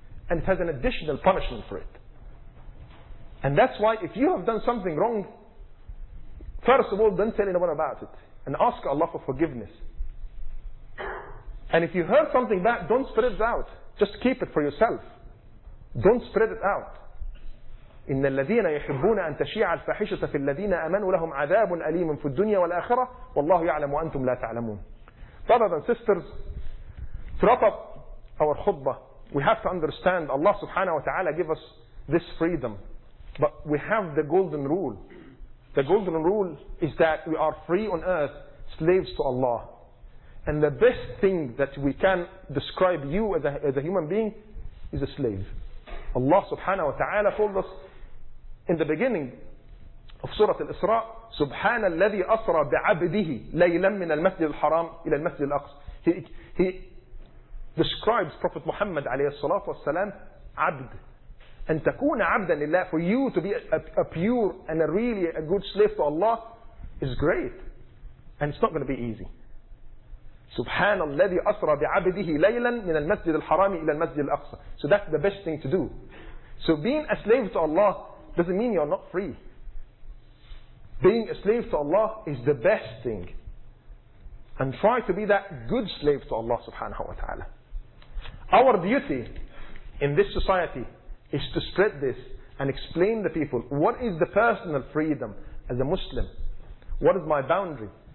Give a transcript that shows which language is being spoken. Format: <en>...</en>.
<en>And it has an additional punishment for it. And that's why if you have done something wrong, first of all, don't tell anyone about it. And ask Allah for forgiveness. And if you heard something bad, don't spread it out. Just keep it for yourself. Don't spread it out.</en> <ar>إن الذين يحبون أن تشيع الفاحشة في الذين آمنوا لهم عذاب أليم في الدنيا والآخرة والله يعلم وأنتم لا تعلمون.</ar> <en>Brothers and sisters, throughout our khutbah, we have to understand Allah subhanahu wa ta'ala give us this freedom. But we have the golden rule. The golden rule is that we are free on earth, slaves to Allah. And the best thing that we can describe you as a human being is a slave. Allah subhanahu wa ta'ala told us in the beginning of Surah Al-Isra,</en> <ar>سبحان الذي أسرى بعبده ليلا من المسجد الحرام إلى المسجد الأقصى.</ar> <en>He describes Prophet Muhammad عليه الصلاة والسلام عبد.</en> <ar>أن تكون عبدا لله,</ar> <en>for you to be a pure and a really a good slave to Allah is great. And it's not going to be easy.</en> <ar>سبحان الذي أسرى بعبده ليلا من المسجد الحرام إلى المسجد الأقصى.</ar> <en>So that's the best thing to do. So being a slave to Allah doesn't mean you're not free. Being a slave to Allah is the best thing. And try to be that good slave to Allah subhanahu wa ta'ala. Our duty in this society is to spread this and explain to people what is the personal freedom as a Muslim. What is my boundary?</en>